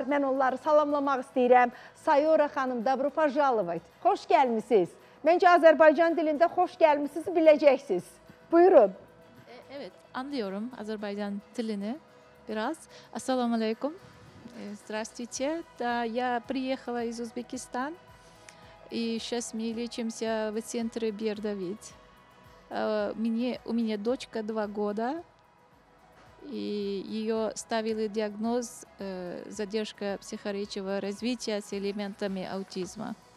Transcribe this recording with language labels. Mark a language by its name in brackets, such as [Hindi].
[Azerbaijani] Mən onları salamlamaq istəyirəm. Sayora xanım, [Russian] dobro pozhalovat. [Azerbaijani] Xoş gəlmisiniz. Məncə Azərbaycan dilində xoş gəlmisiniz biləcəksiniz. Buyurun. [Turkish] Evet, anlıyorum Azerbaycan dilini biraz. [Arabic] Assalamu alaikum. [Russian] Здравствуйте. Да, я приехала из Узбекистана. И сейчас мы лечимся в центре Бердавид. У меня дочка 2 года. И ее ставили диагноз задержка психического развития с элементами аутизма.